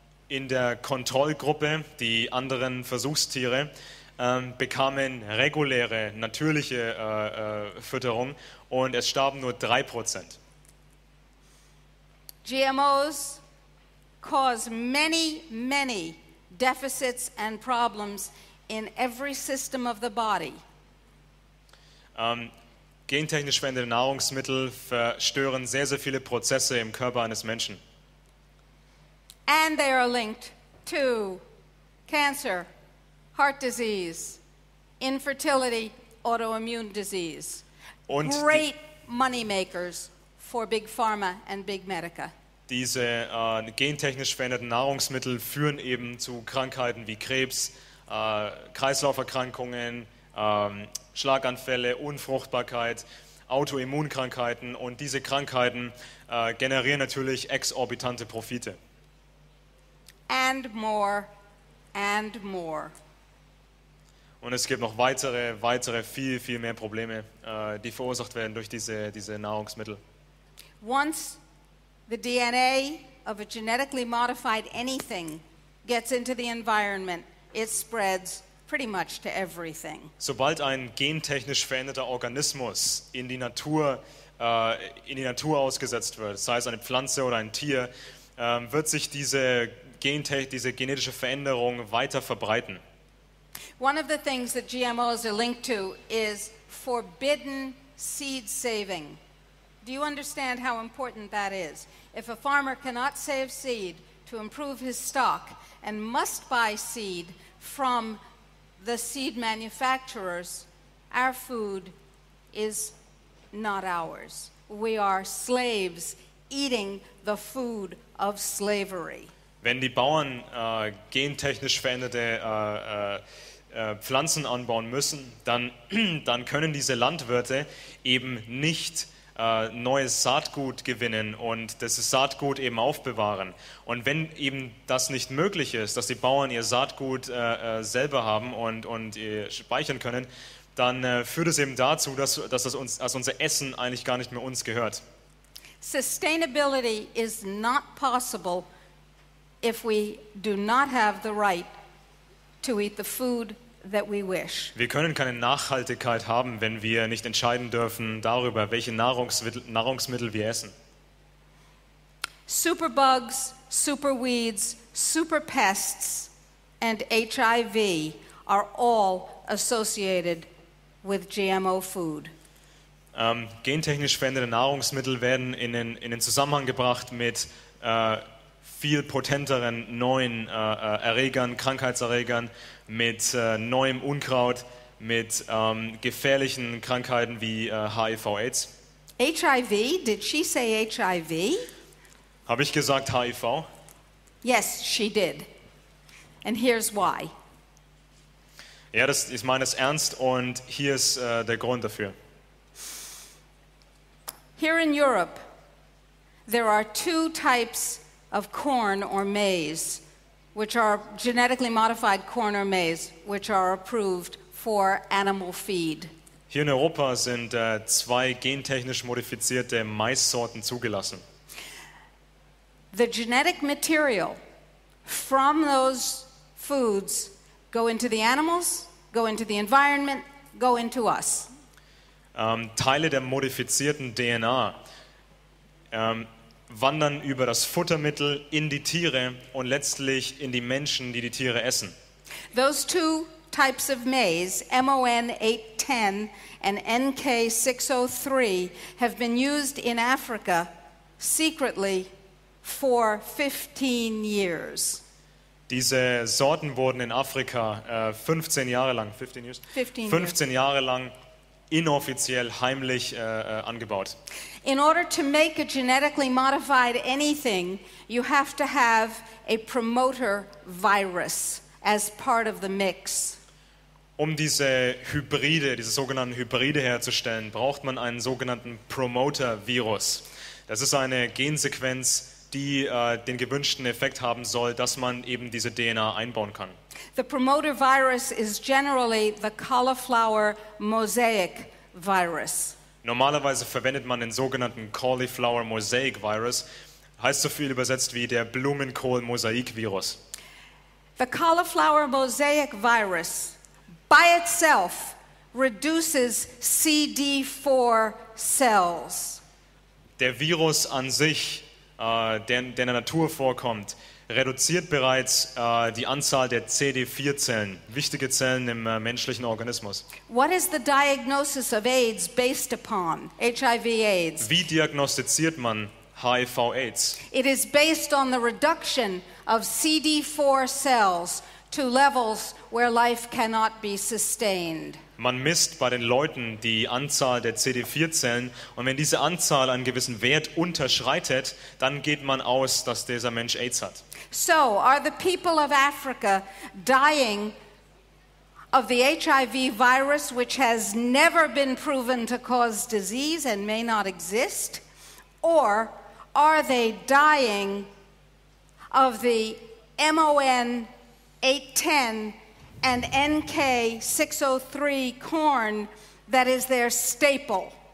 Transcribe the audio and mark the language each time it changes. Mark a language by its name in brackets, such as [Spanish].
[German] In der Kontrollgruppe, die anderen Versuchstiere, bekamen reguläre, natürliche Fütterung und es starben nur 3%. [English] GMOs cause many, many deficits and problems in every system of the body. [German] Gentechnisch veränderte Nahrungsmittel verstören sehr, sehr viele Prozesse im Körper eines Menschen. [English] And they are linked to cancer, heart disease, infertility, autoimmune disease. [German] Und [English] great money makers for big pharma and big medica. [German] Diese gentechnisch veränderten Nahrungsmittel führen eben zu Krankheiten wie Krebs, Kreislauferkrankungen, Schlaganfälle, Unfruchtbarkeit, Autoimmunkrankheiten, und diese Krankheiten generieren natürlich exorbitante Profite. [English] And more, and more. [German] Und es gibt noch weitere, viel, viel mehr Probleme, die verursacht werden durch diese Nahrungsmittel. [English] Once the DNA of a genetically modified anything gets into the environment, it spreads pretty much to everything. [German] Sobald ein gentechnisch veränderter Organismus in die Natur ausgesetzt wird, sei es eine Pflanze oder ein Tier, wird sich diese genetische Veränderung weiter verbreiten. [English] One of the things that GMOs are linked to is forbidden seed saving. Do you understand how important that is? If a farmer cannot save seed to improve his stock and must buy seed from the seed manufacturers, our food is not ours. We are slaves eating the food of slavery. [German] Wenn die Bauern gentechnisch veränderte Pflanzen anbauen müssen, dann können diese Landwirte eben nicht neues Saatgut gewinnen und das Saatgut eben aufbewahren. Und wenn eben das nicht möglich ist, dass die Bauern ihr Saatgut selber haben und speichern können, dann führt es eben dazu, dass unser Essen eigentlich gar nicht mehr uns gehört. [English] Sustainability is not possible if we do not have the right to eat the food that we wish. [German] Wir können keine Nachhaltigkeit haben, wenn wir nicht entscheiden dürfen darüber, welche Nahrungsmittel wir essen. [English] Superbugs, superweeds, superpests and HIV are all associated with GMO food. [German] Gentechnisch veränderte Nahrungsmittel werden in den Zusammenhang gebracht mit viel potenteren neuen Erregern, Krankheitserregern, mit neuem Unkraut, mit gefährlichen Krankheiten wie HIV/AIDS. [English] HIV? Did she say HIV? [German] Habe ich gesagt HIV? [English] Yes, she did. And here's why. [German] Ja, das ist meines ernst und hier ist der Grund dafür. [English] Here in Europe, there are two types of corn or maize, which are genetically modified corn or maize, which are approved for animal feed. [German] Hier in Europa sind zwei gentechnisch modifizierte Maissorten zugelassen. [English] The genetic material from those foods go into the animals, go into the environment, go into us. [German] Teile der modifizierten DNA wandern über das Futtermittel in die Tiere und letztlich in die Menschen, die die Tiere essen. [English] Those two types of maize, MON810 and NK603, have been used in Africa secretly for 15 years. [German] Diese Sorten wurden in Afrika 15 Jahre lang, [English] 15 years, [German] 15 Jahre lang inoffiziell heimlich angebaut. [English] In order to make a genetically modified anything, you have to have a promoter virus as part of the mix. [German] Um diese Hybride, diese sogenannten Hybride herzustellen, braucht man einen sogenannten Promoter-Virus. Das ist eine Gensequenz, die den gewünschten Effekt haben soll, dass man eben diese DNA einbauen kann. [English] The promoter virus is generally the cauliflower mosaic virus. [German] Normalerweise verwendet man den sogenannten cauliflower mosaic virus, heißt so viel übersetzt wie der Blumenkohl-Mosaik-Virus. [English] The cauliflower mosaic virus by itself reduces CD4 cells. [German] Der Virus an sich, der in der Natur vorkommt, reduziert bereits die Anzahl der CD4-Zellen, wichtige Zellen im menschlichen Organismus. [English] What is the diagnosis of AIDS based upon? HIV/AIDS. [German] Wie diagnostiziert man HIV/AIDS? [English] It is based on the reduction of CD4 cells to levels where life cannot be sustained. [German] Man misst bei den Leuten die Anzahl der CD4-Zellen und wenn diese Anzahl einen gewissen Wert unterschreitet, dann geht man aus, dass dieser Mensch AIDS hat. [English] So, are the people of Africa dying of the HIV virus, which has never been proven to cause disease and may not exist? Or are they dying of the MON810 and NK603 corn that is their staple?